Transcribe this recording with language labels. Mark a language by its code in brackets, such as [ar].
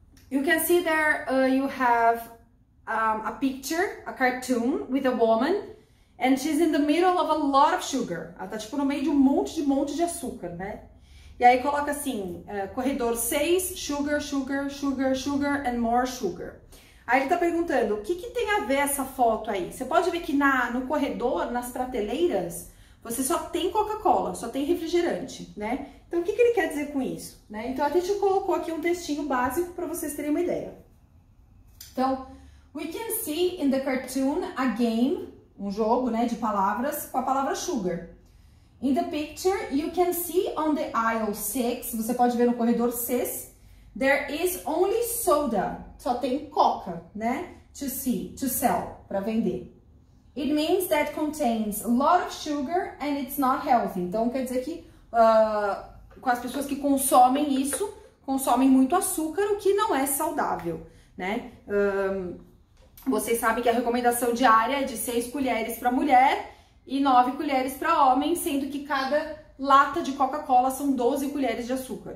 [en] You can see there you have a picture, a cartoon with a woman, and she's in the middle of a lot of sugar. [pt] Ela tá tipo no meio de um monte de açúcar, né? E aí coloca assim, corredor 6, [en] sugar, sugar, sugar, sugar, and more sugar. [pt] Aí ele tá perguntando, o que que tem a ver essa foto aí? Você pode ver que no corredor, nas prateleiras, você só tem Coca-Cola, só tem refrigerante, né? Então, o que que ele quer dizer com isso? Né? Então, a gente colocou aqui um textinho básico para vocês terem uma ideia. Então, [en] we can see in the cartoon a game, [pt] um jogo, né, de palavras, com a palavra sugar. [en] In the picture, you can see on the aisle 6, [pt] você pode ver no corredor 6, [en] there is only soda, [pt] só tem coca, né, [en] to sell, [pt] para vender. [en] It means that contains a lot of sugar and it's not healthy. [pt] Então, quer dizer que com as pessoas que consomem isso, consomem muito açúcar, o que não é saudável, né? Vocês sabem que a recomendação diária é de 6 colheres para mulher, e 9 colheres para homem, sendo que cada lata de Coca-Cola são 12 colheres de açúcar.